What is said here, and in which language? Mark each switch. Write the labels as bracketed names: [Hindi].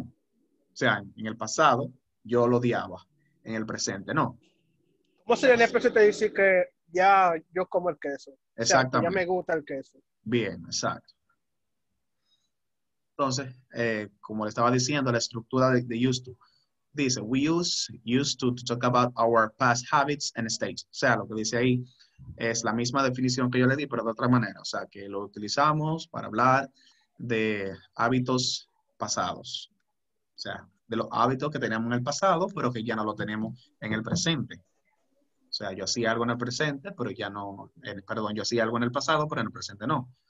[Spanish] O sea, en el pasado, yo lo odiaba. En el presente, no. ¿Cómo sería en el presente decir que ya yo como el queso? Exactamente. O sea, ya me gusta el queso. Bien, exacto. Entonces, como le estaba diciendo, la estructura de used to. Dice, [English] we used to talk about our past habits and states. [Spanish] O sea, lo que dice ahí es la misma definición que yo le di, pero de otra manera. O sea, que lo utilizamos para hablar de hábitos pasados. O sea, de los hábitos que teníamos en el pasado, pero que ya no lo tenemos en el presente. O sea, yo hacía algo en el presente, pero ya no. Perdón, yo hacía algo en el pasado, pero en el presente no.